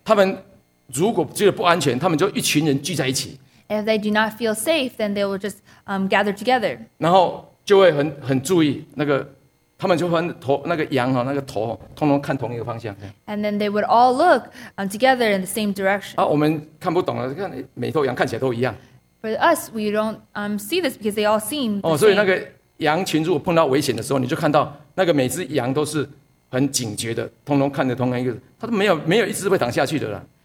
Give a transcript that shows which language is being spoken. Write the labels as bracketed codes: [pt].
[zh] 他们如果觉得不安全，他们就一群人聚在一起。 [en] If they do not feel safe, then they will just gather together. [zh] 然后就会很注意那个，他们就会头那个羊哈，那个头通通看同一个方向。 [en] And then they would all look together in the same direction. [zh] 啊，我们看不懂了，看每头羊看起来都一样。 [en] For us, we don't see this because they all seem the same. [zh] 哦，所以那个羊群如果碰到危险的时候，你就看到那个每只羊都是很警觉的，通通看着同一个，它都没有一只会躺下去的了。